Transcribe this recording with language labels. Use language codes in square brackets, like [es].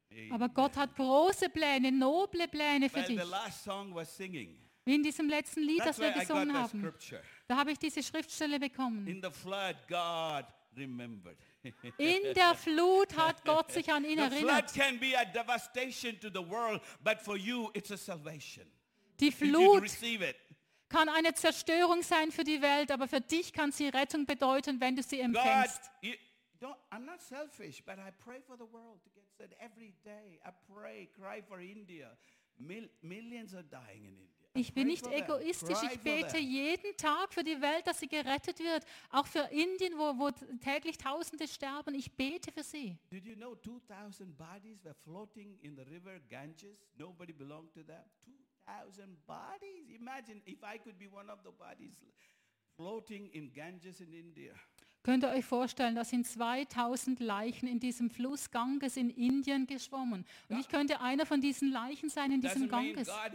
[de] Aber Gott hat große Pläne, noble Pläne für dich. Wie in diesem letzten Lied, das wir gesungen haben. Da habe ich diese Schriftstelle bekommen. [en] In the flood, God remembered. [de] In der Flut hat Gott sich an ihn erinnert. [en] The flood can be a devastation to the world, but for you it's a salvation. [de] Die Flut kann eine Zerstörung sein für die Welt, aber für dich kann sie Rettung bedeuten, wenn du sie empfängst. [en] I'm not selfish, but I pray for the world to get saved every day. I pray, cry for India. Millions are dying in India. [de] Ich bin nicht egoistisch, ich bete jeden Tag für die Welt, dass sie gerettet wird. Auch für Indien, wo täglich Tausende sterben, ich bete für sie. [en] Did you know 2000 bodies were floating in the river Ganges? Nobody belonged to them. 2000 bodies? Imagine if I could be one of the bodies floating in Ganges in India. [de] Könnt ihr euch vorstellen, da sind 2000 Leichen in diesem Fluss Ganges in Indien geschwommen. Und ich könnte einer von diesen Leichen sein in diesem Ganges.